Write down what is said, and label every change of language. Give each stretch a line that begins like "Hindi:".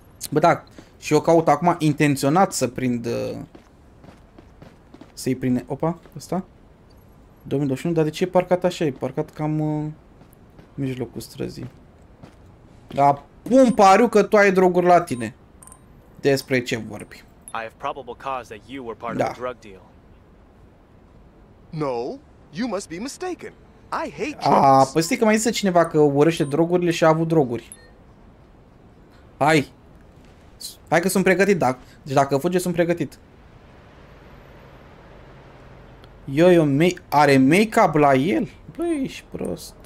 Romanian: Bă, da, și eu caut acum intenționat să prind, să-i prinde, opa, ăsta. 2021, dar de ce e parcat așa? E parcat cam mijlocul străzii. Da, pun pariu că tu ai droguri la tine. Despre ce vorbi?
English: I have probable cause that you were part of a drug deal. No, you must be mistaken. I hate drugs.
Romanian: A, păi stai că mai zise cineva că urăște drogurile și a avut droguri. Hai. Hai că sunt pregătit, da. Deci dacă fuge, sunt pregătit. Yo, are make-up la el? Băi, ești prost.